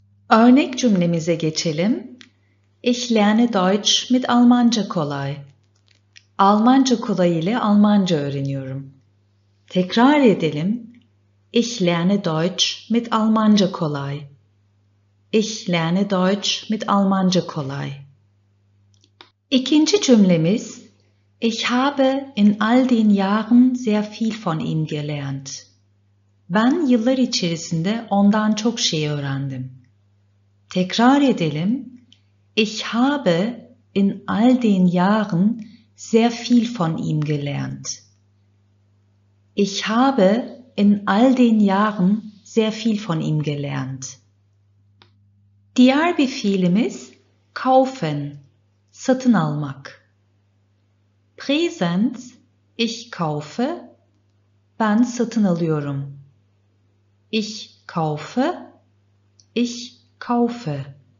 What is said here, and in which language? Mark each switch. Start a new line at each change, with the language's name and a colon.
Turkish: Örnek cümlemize geçelim.
German: Ich lerne Deutsch mit Almanca kolay.
Turkish: Almanca kolay ile Almanca öğreniyorum. Tekrar edelim.
German: Ich lerne Deutsch mit Almanca kolay. Ich lerne Deutsch mit Almanca kolay.
Turkish: İkinci cümlemiz.
German: Ich habe in all den Jahren sehr viel von ihm gelernt.
Turkish: Ben yıllar içerisinde ondan çok şey öğrendim. Tekrar edelim.
German: Ich habe in all den Jahren sehr viel von ihm gelernt. Ich habe in all den Jahren sehr viel von ihm gelernt.
Turkish: Diğer bir fiilimiz kaufen, satın almak.
German: Präsens, ich kaufe,
Turkish: ben satın alıyorum.
German: Ich kaufe, ich kaufe.